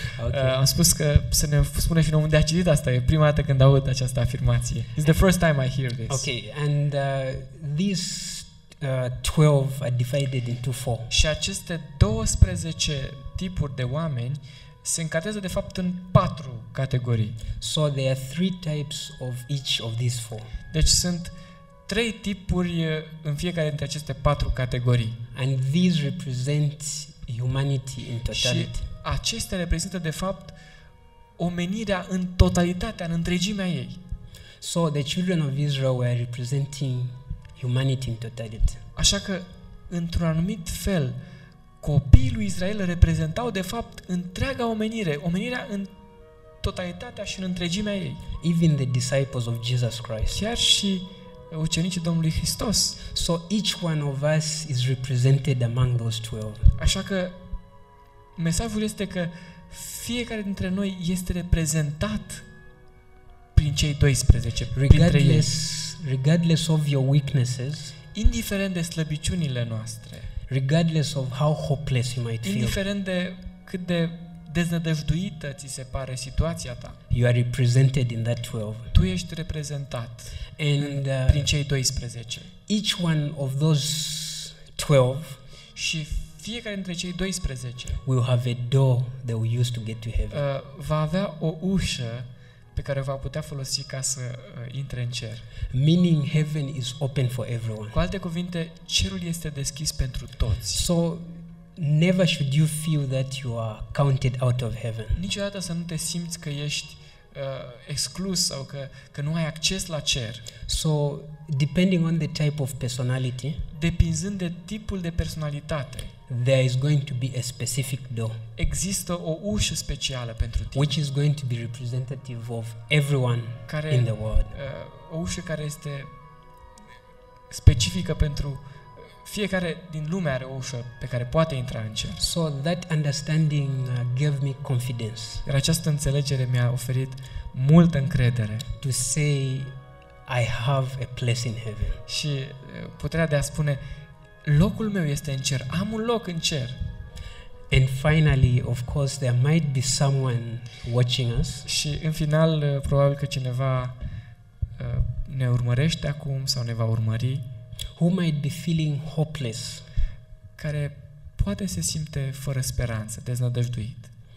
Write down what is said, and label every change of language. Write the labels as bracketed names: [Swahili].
[English] Okay. [Romanian] Am spus că să ne spune și nou unde a citit asta. E prima dată când aud această afirmație. [English] It's the first time I hear this. Okay, and these 12 are divided into 4. [Romanian] Și aceste 12 tipuri de oameni se încadrează de fapt în 4 categorii. [English] So there are 3 types of each of these 4. [Romanian] Deci sunt 3 tipuri în fiecare dintre aceste 4 categorii. [English] And these represent humanity in totality. [Romanian] Și acestea reprezintă de fapt omenirea în totalitatea, în întregimea ei. [English] So the children of Israel were representing humanity in totality. [Romanian] Așa că într-un anumit fel copiii lui Israel reprezentau de fapt întreaga omenire, omenirea în totalitatea și în întregimea ei. [English] Even the disciples of Jesus Christ. [Romanian] Chiar și ucenicii Domnului Hristos. [English] So each one of us is represented among those 12. [Romanian] Așa că mesajul este că fiecare dintre noi este reprezentat prin cei 12. [English] Regardless of your weaknesses, [Romanian] indiferent de slăbiciunile noastre, [English] regardless of how hopeless you might feel, [Romanian] indiferent de cât de deznădăjduită ți se pare situația ta, [English] you are represented in that 12. [Romanian] Tu ești reprezentat prin cei 12. [English] Each one of those 12, [Romanian] și fiecare dintre cei 12, [English] will have a door that will use to get to heaven. [Romanian] Va avea o ușă pe care va putea folosi ca să intre în cer. [English] Meaning heaven is open for everyone. [Romanian] Cu alte cuvinte, cerul este deschis pentru toți. [English] So never should you feel that you are counted out of heaven. [Romanian] Niciodată să nu te simți că ești exclus sau că nu ai acces la cer. [English] So depending on the type of personality, [Romanian] depinzând de tipul de personalitate, [English] there is going to be a specific door. [Romanian] Există o ușă specială pentru tine, [English] which is going to be representative of everyone [Romanian] care, [English] in the world. [Romanian] O ușă care este specifică pentru fiecare din lume are o ușă pe care poate intra în cer. [English] So that understanding gave me confidence. [Romanian] Iar această înțelegere mi-a oferit multă încredere. [English] To say I have a place in heaven. [Romanian] Și puterea de a spune locul meu este în cer. Am un loc în cer. [English] And finally, of course, there might be someone watching us. [Romanian] Și în final, probabil că cineva ne urmărește acum sau ne va urmări. [English] Who might be feeling hopeless? [Romanian] Care poate se simte fără speranță, deznădăjduit.